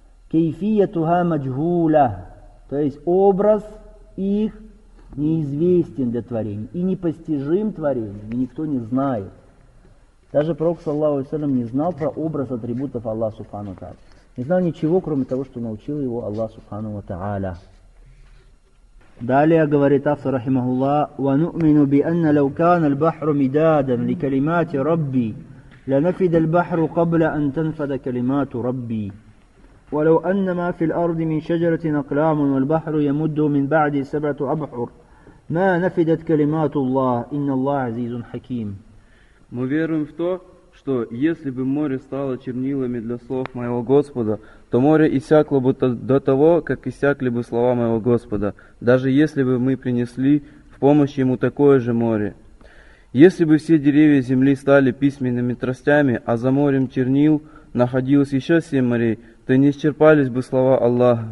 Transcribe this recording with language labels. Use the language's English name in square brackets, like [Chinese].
[Arabic] Кейфиятуха маджгуля, [Russian] то есть образ их неизвестен для творения и непостижим творением, и никто не знает. Даже пророк, саллаллаху алейхи ва саллям, не знал про образ атрибутов Аллаха Субхану Тааля. Не знал ничего, кроме того, что научил его Аллах Субхану ва Тааля. Далее говорит автор, [Arabic] рахимахулла, وَنُؤْمِنُ بِأَنَّ لَوْ كَانَ الْبَحْرُ مِدَادًا لِكَلِمَاتِ رَبِّي لَنَفِدَ الْبَحْرُ قَبْلَ أَنْ تَنْفَدَ كَلِمَاتُ رَبِّي ولو أن ما في الأرض من شجرة أقلام والبحر يمد من بعد سبعة أبحر ما نفدت كلمات الله إن الله عزيز حكيم. [Russian] Мы верим в то, что если бы море стало чернилами для слов моего Господа, то море иссякло бы до того, как иссякли бы слова моего Господа, даже если бы мы принесли в помощь ему такое же море. Если бы все деревья земли стали письменными тростями, а за морем чернил находилось еще семь морей, то не исчерпались бы слова Аллаха.